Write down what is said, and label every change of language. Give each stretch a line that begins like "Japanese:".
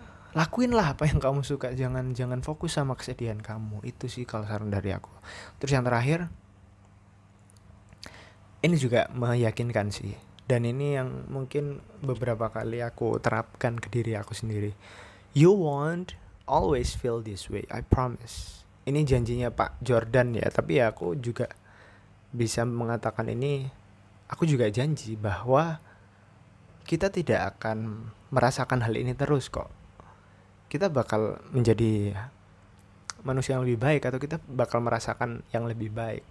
Indonesian: Lakuinlah apa yang kamu suka. Jangan fokus sama kesedihan kamu. Itu sih kalau saran dari aku. Terus yang terakhir, ini juga meyakinkan sih. Dan ini yang mungkin beberapa kali aku terapkan ke diri aku sendiri.
English: You won't always feel this way, I promise.
Indonesian: Ini janjinya Pak Jordan ya. Tapi ya aku juga bisa mengatakan ini, aku juga janji bahwa kita tidak akan merasakan hal ini terus kok. Kita bakal menjadi manusia yang lebih baik, atau kita bakal merasakan yang lebih baik.